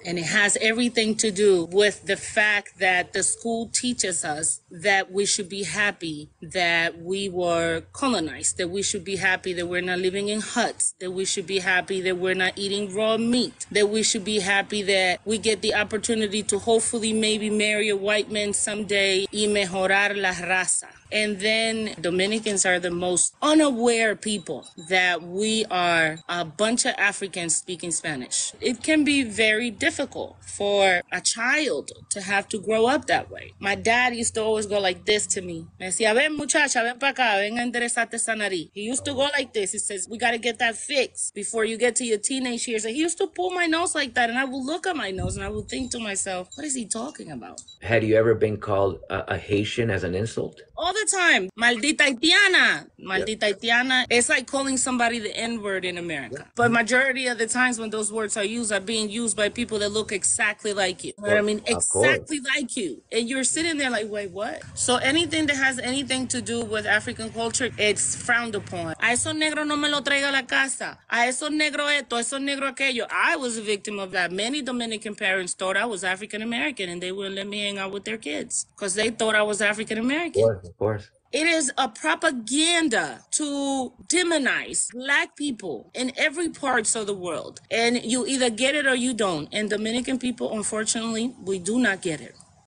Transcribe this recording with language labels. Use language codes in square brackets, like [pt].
[en] And it has everything to do with the fact that the school teaches us that we should be happy that we were colonized, that we should be happy that we're not living in huts, that we should be happy that we're not eating raw meat, that we should be happy that we get the opportunity to hopefully maybe marry a white man someday, [es] y mejorar la raza. [en] And then Dominicans are the most unaware people that we are a bunch of Africans speaking Spanish. It can be very difficult for a child to have to grow up that way. My dad used to always go like this to me. [es] Me decía, ven muchacha, ven pa' acá, ven a enderezarte esa nariz. [en] He used to go like this. He says, we gotta get that fixed before you get to your teenage years. And he used to pull my nose like that, and I would look at my nose and I would think to myself, what is he talking about? Had you ever been called a Haitian as an insult? All the time. [es] Maldita Haitiana. Maldita Haitiana. [en] Yep. It's like calling somebody the N-word in America. Yep. But majority of the times when those words are used are being used by people that look exactly like you. Well, I mean, exactly like you. And you're sitting there like, wait, what? So anything that has anything to do with African culture, it's frowned upon. [es] A eso negro no me lo traiga a la casa. A eso negro esto, a eso negro aquello. [en] I was a victim of that. Many Dominican parents thought I was African-American and they wouldn't let me hang out with their kids because they thought I was African-American. What? Of course. It is a propaganda to demonize Black people in every parts of the world. And you either get it or you don't. And Dominican people, unfortunately, we do not get it.